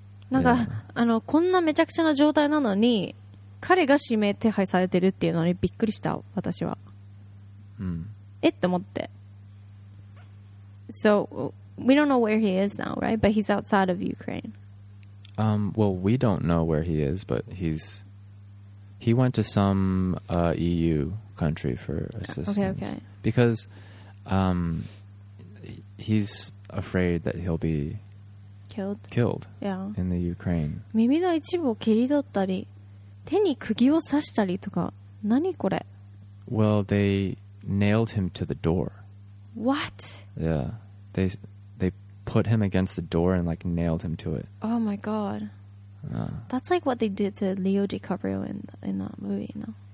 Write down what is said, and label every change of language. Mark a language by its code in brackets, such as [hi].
[ja] なんか、yeah. あのこんなめちゃくちゃな状態なのに彼が指名手配されてるっていうのにびっくりした私は、 mm. えって思って [en] So we don't know where he is now, right? But he's outside of Ukraine. Well, we don't know where he is, but he went to some EU country for assistance. Okay, okay. Because he's afraid that he'll be be killed yeah. in the Ukraine. [ja] 耳の一部を切り取ったり、手に釘を刺したりとか、何これ? [en] Well, they nailed him to the door. What? Yeah. They put him against the door and like nailed him to it. Oh my god. That's like what they did to Leo DiCaprio in that movie, you know?